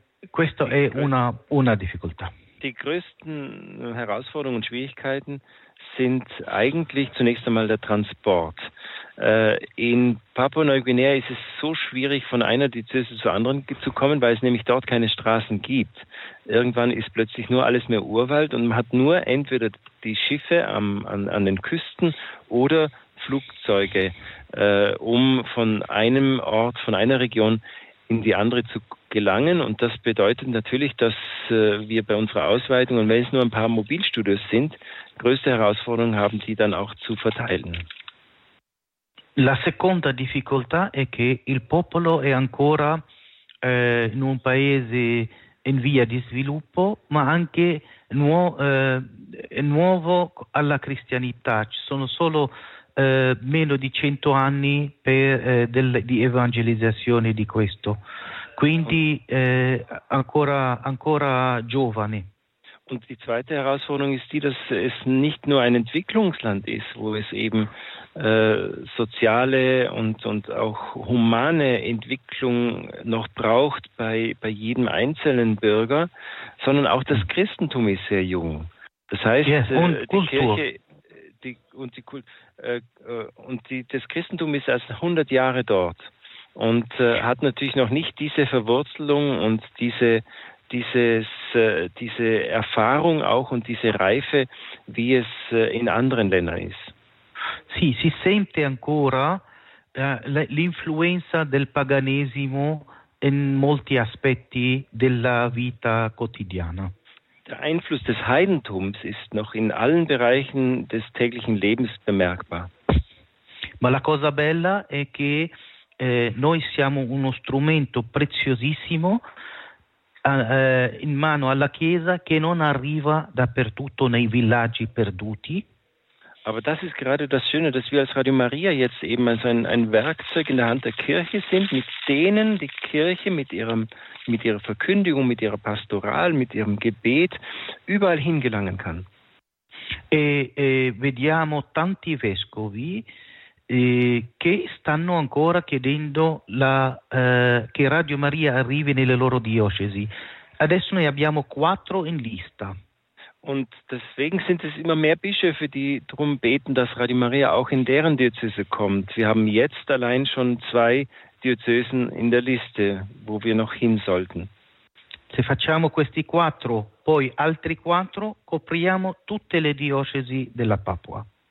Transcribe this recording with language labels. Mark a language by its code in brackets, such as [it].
[it] Questa è una difficoltà. [de] Die größten Herausforderungen und Schwierigkeiten sind eigentlich zunächst einmal der Transport. In Papua-Neuguinea ist es so schwierig, von einer Diözese zur anderen zu kommen, weil es nämlich dort keine Straßen gibt. Irgendwann ist plötzlich nur alles mehr Urwald und man hat nur entweder die Schiffe an den Küsten oder Flugzeuge, um von einem Ort, von einer Region in die andere zu gelangen. Und das bedeutet natürlich, dass wir bei unserer Ausweitung, und wenn es nur ein paar Mobilstudios sind, größte Herausforderungen haben, die dann auch zu verteilen. [it] La seconda difficoltà è che il popolo è ancora in un paese in via di sviluppo, ma anche nuovo alla cristianità. Ci sono solo meno di 100 anni di evangelizzazione di questo. Quindi ancora giovane. [de] Und die zweite Herausforderung ist die, dass es nicht nur ein Entwicklungsland ist, wo es eben soziale und auch humane Entwicklung noch braucht bei jedem einzelnen Bürger, sondern auch das Christentum ist sehr jung. Das heißt, das Christentum ist erst 100 Jahre dort. Und hat natürlich noch nicht diese Verwurzelung und diese Erfahrung auch und diese Reife, wie es in anderen Ländern ist. [it] Sì, si sente ancora l'influenza del paganesimo in molti aspetti della vita quotidiana. [de] Der Einfluss des Heidentums ist noch in allen Bereichen des täglichen Lebens bemerkbar. [it] Ma la cosa bella è che noi siamo uno strumento preziosissimo in mano alla Chiesa che non arriva dappertutto nei villaggi perduti. [de] Aber das ist gerade das Schöne, dass wir als Radio Maria jetzt eben als ein Werkzeug in der Hand der Kirche sind, mit denen die Kirche mit ihrer Verkündigung, mit ihrer Pastoral, mit ihrem Gebet überall hingelangen kann. [it] E vediamo tanti Vescovi che stanno ancora chiedendo che Radio Maria arrivi nelle loro diocesi. Adesso noi abbiamo 4 in lista. [de] Und deswegen sind es immer mehr Bischöfe, die darum beten, dass Radio Maria auch in deren Diözese kommt. Wir haben jetzt allein schon 2 Diözesen in der Liste, wo wir noch hin sollten. [it] Se facciamo questi 4, poi altri 4, copriamo tutte le diocesi della Papua.